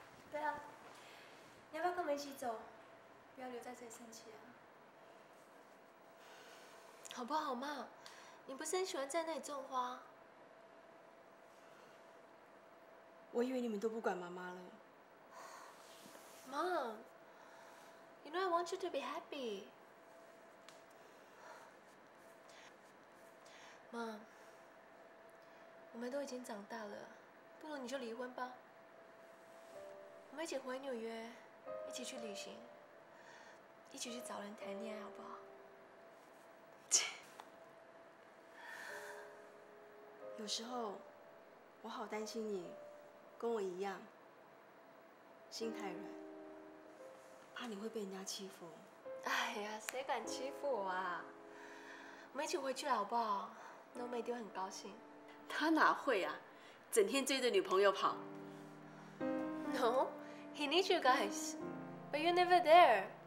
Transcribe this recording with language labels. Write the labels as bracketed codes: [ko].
[zh] 对啊，你要不要跟我们一起走？不要留在这里生气啊。好不好嘛？你不是很喜欢在那里种花？我以为你们都不管妈妈了。 [en] Mom, you know I want you to be happy. [zh] Mom, 我们都已经长大了，不如你就离婚吧。我们一起回纽约，一起去旅行，一起去找人谈恋爱，好不好？有时候我好担心你跟我一样心太软，怕你会被人家欺负。哎呀，谁敢欺负我啊？我们一起回去好不好？那Lun-Mei一定很高兴。他哪会啊，整天追着女朋友跑。 [en] No, he needs you guys, but you're never there.